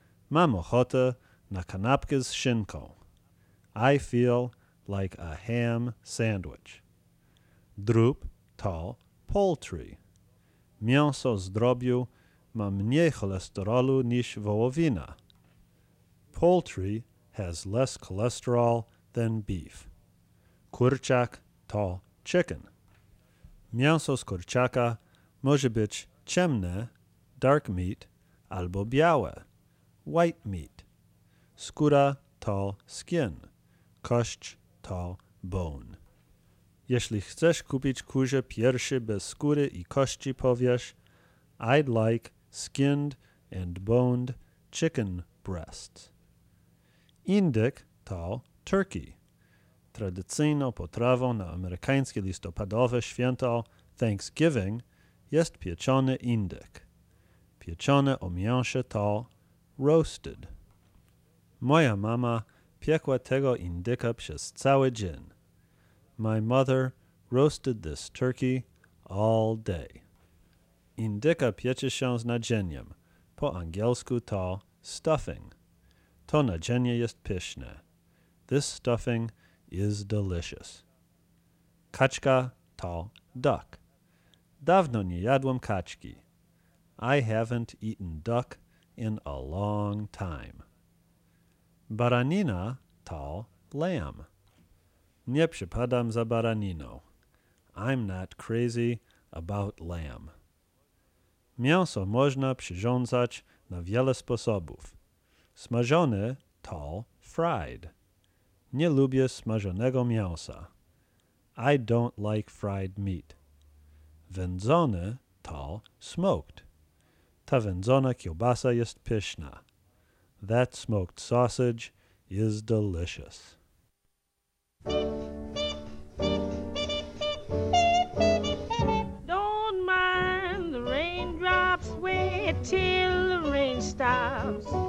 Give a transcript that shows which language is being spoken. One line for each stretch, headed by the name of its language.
Polish: Mam ochotę na kanapkę z szynką.
English: I feel like a ham sandwich.
Polish: Drób to poultry. Mięso z drobiu ma mniej cholesterolu niż wołowina.
English: Poultry has less cholesterol than beef.
Polish: Kurczak to chicken. Mięso z kurczaka może być ciemne, dark meat, albo białe, white meat. Skóra to skin, kość to bone. Jeśli chcesz kupić kurze piersi bez skóry i kości, powiesz:
English: I'd like skinned and boned chicken breasts.
Polish: Indyk to turkey. Tradycyjną potrawą na amerykańskie listopadowe święto Thanksgiving jest pieczony indyk. Pieczone o mięsie to roasted. Moja mama piekła tego indyka przez cały dzień.
English: My mother roasted this turkey all day.
Polish: Indyka piecze się z nadzieniem. Po angielsku to stuffing. To nadzienie jest pyszne.
English: This stuffing is delicious.
Polish: Kaczka to duck. Dawno nie jadłem kaczki.
English: I haven't eaten duck in a long time.
Polish: Baranina to lamb. Nie przepadam za baraniną.
English: I'm not crazy about lamb.
Polish: Mięso można przyrządzać na wiele sposobów. Smażone to fried. Nie lubię smażonego mięsa.
English: I don't like fried meat.
Polish: Wędzone to
English: smoked.
Polish: Ta wędzona kiełbasa jest pyszna.
English: That smoked sausage is delicious. Don't mind the raindrops, wait till the rain stops.